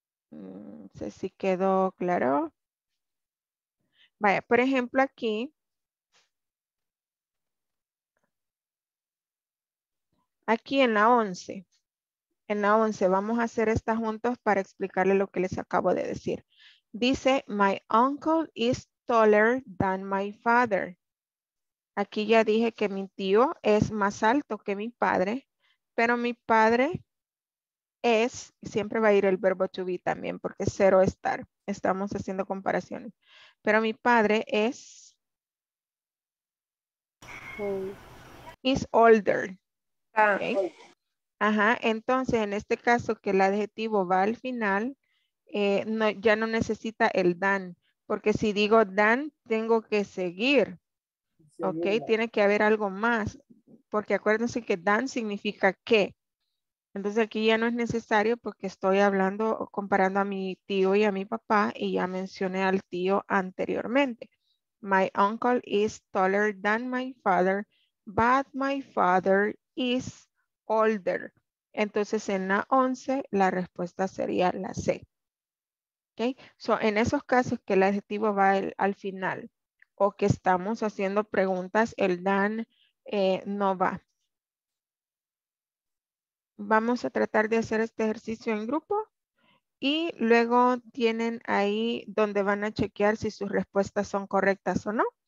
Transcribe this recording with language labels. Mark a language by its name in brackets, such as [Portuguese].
[Spanish] No sé si quedó claro. Vaya, por ejemplo, aquí. Aquí en la 11. En la 11, vamos a hacer esta juntos para explicarle lo que les acabo de decir. [English] Dice, my uncle is taller than my father. [Spanish] Aquí ya dije que mi tío es más alto que mi padre, pero mi padre es, siempre va a ir el verbo to be también, porque ser o estar, estamos haciendo comparaciones. Pero mi padre es, [English] is older. Okay. [Spanish] Ajá, entonces en este caso que el adjetivo va al final, no, ya no necesita el than, porque si digo than, tengo que seguir. Ok, tiene que haber algo más, porque acuérdense que than significa que. Entonces aquí ya no es necesario porque estoy hablando, comparando a mi tío y a mi papá, y ya mencioné al tío anteriormente. [English] My uncle is taller than my father, but my father is older. [Spanish] Entonces en la 11 la respuesta sería la C. Ok, so en esos casos que el adjetivo va al final, o que estamos haciendo preguntas, el than no va. Vamos a tratar de hacer este ejercicio en grupo y luego tienen ahí donde van a chequear si sus respuestas son correctas o no.